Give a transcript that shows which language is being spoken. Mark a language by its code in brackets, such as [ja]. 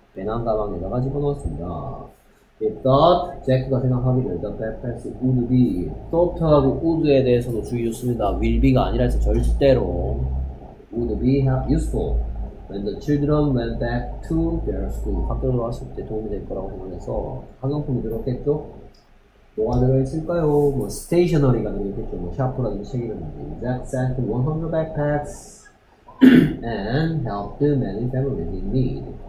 [ko] 배낭 가방에다가 집어넣었습니다. [en] It thought, [ko] Jack가 생각하기를 [en] the backpacks would be. [ko] thought하고 would에 대해서도 주의 좋습니다. will be가 아니라 절대로 [en] would be useful. When the children went back to their school, [ko] 학교로 왔을 때 도움이 될 거라고 생각해서 학용품이 들었겠죠? 뭐가 들어있을까요? 뭐 스테이셔너리가 들어있겠죠? 뭐 샤프라든지 책이라든지. [en] Zach sent 100 backpacks and helped many families in need.